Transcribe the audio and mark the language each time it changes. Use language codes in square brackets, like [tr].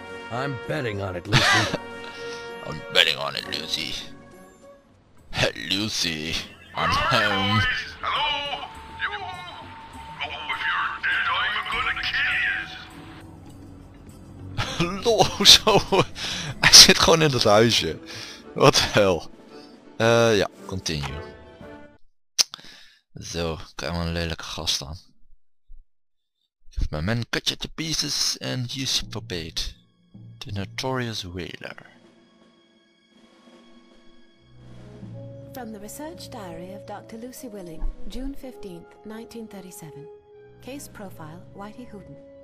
[en] I'm betting on it, Lucy. I'm betting on it, Lucy. Hey, Lucy, I'm home. Hello? You? Oh, if you're dead, I'm gonna kill you. [nl] Lol, zo. Hij zit gewoon in dat huisje. [en] What the hell? [nl] Ja, continue. Zo, ik heb een lelijke gast aan. [en] If my man cut you to pieces and use you for bait. The Notorious Whaler. From the research diary of Dr. Lucy Willing, June 15th, 1937. Case profile, Whitey Hooten.